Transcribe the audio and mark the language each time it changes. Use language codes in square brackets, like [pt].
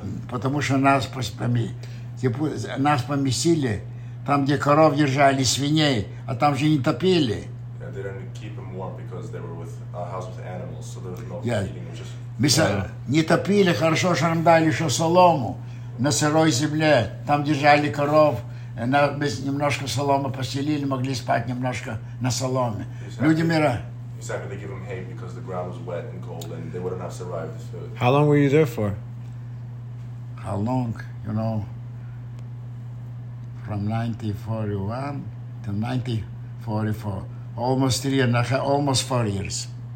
[ru] Потому что нас поместили, там, где коров держали, свиней, а там же не топили. [en] They didn't keep them warm because they were with a house with animals, so there was no heating. [ru] Не топили, хорошо, что нам дали еще солому. На сырой земле, там держали коров, мы немножко соломы поселили, могли спать немножко на соломе. [en] Exactly. [ru] Люди мира. [en] Exactly, they give them hay because the ground was wet and cold and they wouldn't have survived. How long were you there for? How long, you know, from 1941 to 1944, almost 4 years.